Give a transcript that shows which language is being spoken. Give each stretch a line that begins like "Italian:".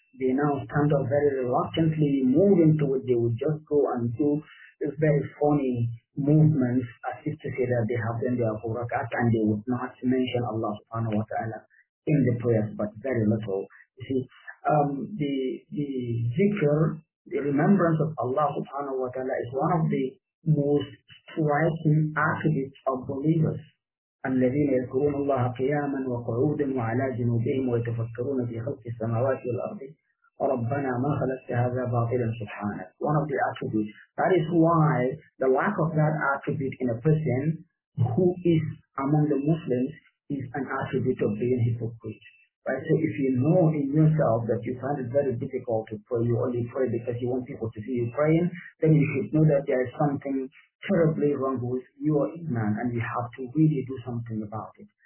English: They now stand up very reluctantly, moving to it. They would just go and do this very funny movements as if to say that they have done their rak'at, and they would not mention Allah subhanahu wa ta'ala in the prayers, but very little. You see, the zikr, the remembrance of Allah subhanahu wa ta'ala, is one of the most striking attributes of believers.
Arabic: الذين يذكرون الله قياما وقعودا وعلى جنوبهم ويتفكرون في خلق السماوات والأرض ربنا ما خلقت هذا باطلا سبحانك.
English: One of the attributes. That is why the lack of that attribute in a person who is among the Muslims is an attribute of being hypocrite. Right? So if you know in yourself that you find it very difficult to pray, you only pray because you want people to see you praying, then you should know that there is something terribly wrong with your iman, and you have to really do something about it.